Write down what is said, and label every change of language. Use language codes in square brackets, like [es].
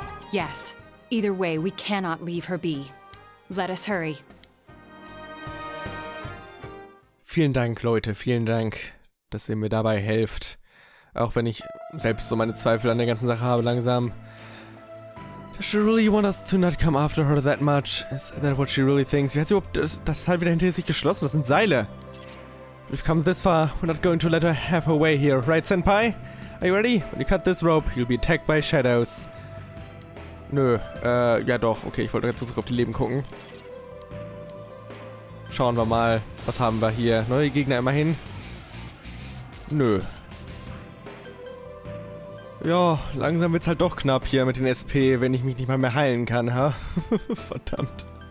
[en] Yes. Either way, we cannot leave her be. Let us hurry. [de] Vielen Dank, Leute. Vielen Dank, dass ihr mir dabei helft. Auch wenn ich selbst so meine Zweifel an der ganzen Sache habe, langsam. [en] Does she really want us to not come after her that much? Is that what she really thinks? [de] Wie hat sie überhaupt... Das ist halt wieder hinter sich geschlossen. Das sind Seile. [en] We've come this far, we're not going to let her have her way here, right, Senpai? Are you ready? When you cut this rope, you'll be attacked by shadows. [de] Nö, ja doch, okay, ich wollte ganz zurück auf die Leben gucken. Schauen wir mal, was haben wir hier? Neue Gegner immerhin? Nö. Ja, langsam wird's halt doch knapp hier mit den SP, wenn ich mich nicht mal mehr heilen kann, ha? Verdammt.